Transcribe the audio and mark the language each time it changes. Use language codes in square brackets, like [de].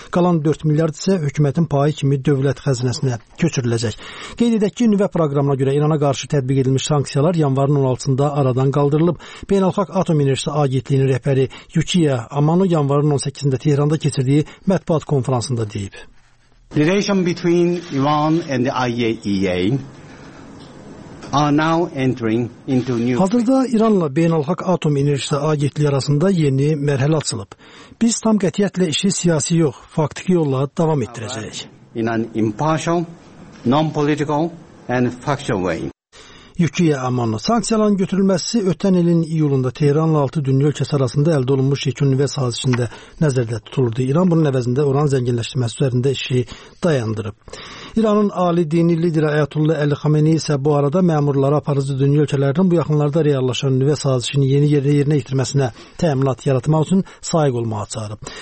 [az] Qalan 4 milyard isə hökumətin payı kimi dövlət xəzinəsinə köçürüləcək. Qeyd edək ki, nüvə proqramına görə İrana qarşı tətbiq edilmiş sanksiyalar yanvarın 16-da aradan qaldırılıb. Beynəlxalq Atom Enerjisi Agentliyi rəhbəri Yukiya Amano yanvarın 18-də Tehranda keçirdiyi mətbuat konfransında deyib. [en] The relations between Iran and the IAEA are now entering into new. [az] Hazırda İranla Beynəlxalq Atom Enerjisi Agentliyi arasında yeni mərhələ açılıb. Biz tam qətiyyətlə işi siyasi yox, faktiki yolla davam etdirəcəyik. [en] In an impartial, non-political and factual way. [az] Yukiya Amano, sanksiyaların götürülməsi ötən ilin iyulunda Tehranla 6 dünya ölkəsi arasında əldə olunmuş yekun nüvə sazişində nəzərdə tutulurdu. İran bunun əvəzində uran zənginləşdirməsi üzərində işi dayandırıb. İranın ali dini lideri Ayatollah Əli Xameneyi isə bu arada məmurlara aparıcı dünya ölkələrinin bu yaxınlarda reallaşan nüvə sazişini yeni yerinə yetirməsinə təminat yaratmaq üçün sayıq olmağa çağırıb.